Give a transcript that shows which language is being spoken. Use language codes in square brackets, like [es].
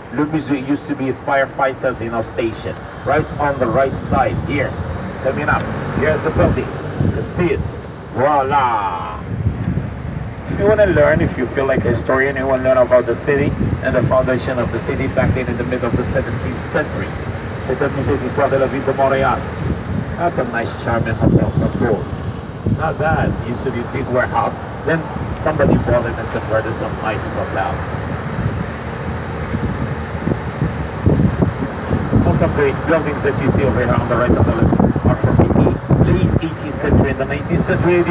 [en] Le Musée used to be a firefighters in our station. Right on the right side, here. Coming up, here's the building. You can see it. Voila! If you wanna learn, if you feel like a historian, you wanna learn about the city and the foundation of the city back then in the middle of the 17th century. [fr] C'est le Musée d'Histoire de la Ville de Montréal. [en] That's a nice, charming hotel, so cool. Not bad, it used to be a big warehouse. Then somebody bought it and converted some nice hotel. Most of the buildings that you see over here on the right and the left are from the late 18th century and the 19th century.